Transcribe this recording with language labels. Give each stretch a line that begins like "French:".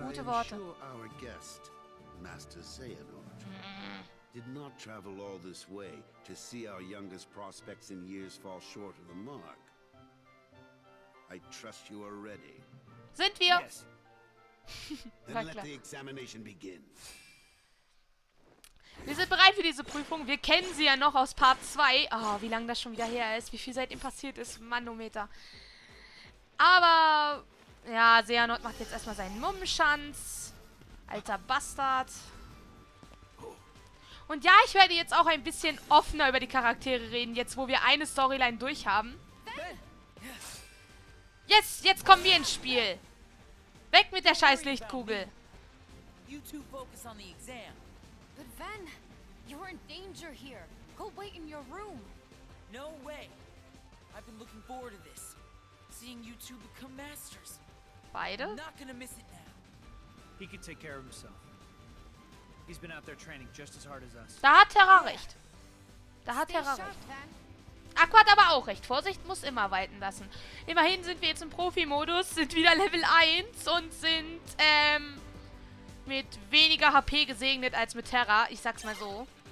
English: I am sure our guest, Master Xehanort, did not travel all this way to see our youngest prospects in years fall short of the mark. I trust you are ready.
German: Sind wir?
English: Yes. Then let the examination begin.
German: Wir sind bereit für diese Prüfung. Wir kennen sie ja noch aus Part 2. Oh, wie lange das schon wieder her ist. Wie viel seitdem passiert ist. Manometer. Aber, ja, Xehanort macht jetzt erstmal seinen Mummschanz. Alter Bastard. Und ja, ich werde jetzt auch ein bisschen offener über die Charaktere reden, jetzt wo wir eine Storyline durch haben. Jetzt kommen wir ins Spiel. Weg mit der scheiß Lichtkugel.
English: You two focus on the exam. But Ven, you're in danger here. Go wait in your room. No way. I've been looking forward to this. Seeing you two become masters.
German: Beide?
English: Not gonna miss it now. He can take care of himself. He's been out there training just as hard as us.
German: Da hat Terra recht. Da hat Terra recht. Aqua hat aber auch recht. Vorsicht muss immer walten lassen. Immerhin sind wir jetzt im Profi-Modus, sind wieder Level 1 und sind mit weniger HP gesegnet als mit Terra. Ich sag's mal so.